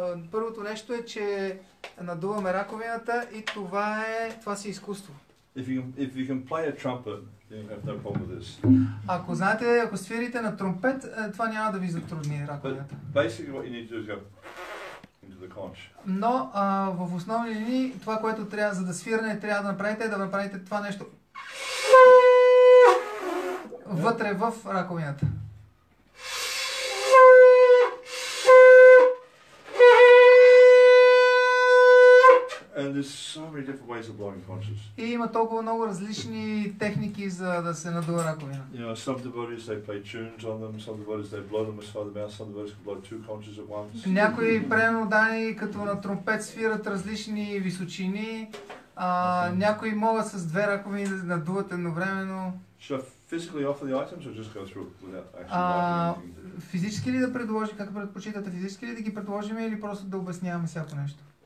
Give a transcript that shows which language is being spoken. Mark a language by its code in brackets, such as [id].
[bg] Първото нещо е, че надуваме раковината и това е, това си изкуство. [en] If you can play a trumpet, then you have no problem with this. [bg] Ако знаете, ако свирите на тромпет, това няма да ви затрудни раковината. [en] Basically what you need to do is go into the conch. [bg] Но в основни линии това, което трябва за да свирне, трябва да направите, е да направите това нещо. Yeah. Вътре в раковината. [en] And there's so many different ways of blowing conches. [bg] И има толкова много различни техники за да се надува раковина. [en] You know, some devotees they play tunes on them, some devotees they blow them as far as the mouth, some devotees can blow two conches at once. [bg] Някои прено дани като на тромпет свират различни височини, някои могат с две раковини да надуват едновременно. [en] Should I physically offer the items or just go through without actually blowing anything? [bg] Физически ли да предложи, как предпочитате, физически ли да ги предложим или просто да обясняваме всяко нещо?